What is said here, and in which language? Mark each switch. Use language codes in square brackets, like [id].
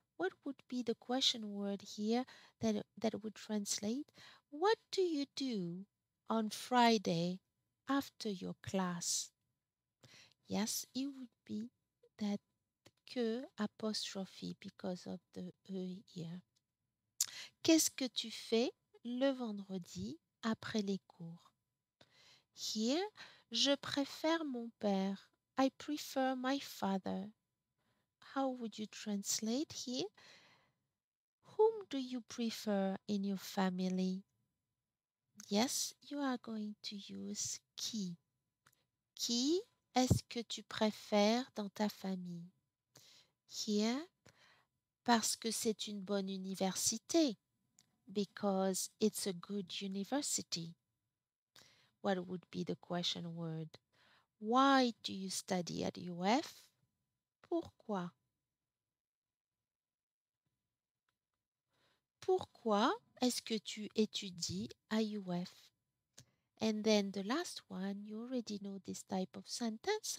[en] What would be the question word here that would translate? What do you do on Friday after your class? Yes, it would be that que apostrophe because of the E here. [fr] Qu'est-ce que tu fais le vendredi après les cours? [en] Here, [fr] je préfère mon père. [en] I prefer my father. How would you translate here? Whom do you prefer in your family? Yes, you are going to use qui. [fr] Qui est-ce que tu préfères dans ta famille? [en] Here, [fr] parce que c'est une bonne université. [en] Because it's a good university. What would be the question word? Why do you study at UF? [fr] Pourquoi? Pourquoi est-ce que tu étudies à UF? [en] And then the last one, you already know this type of sentence.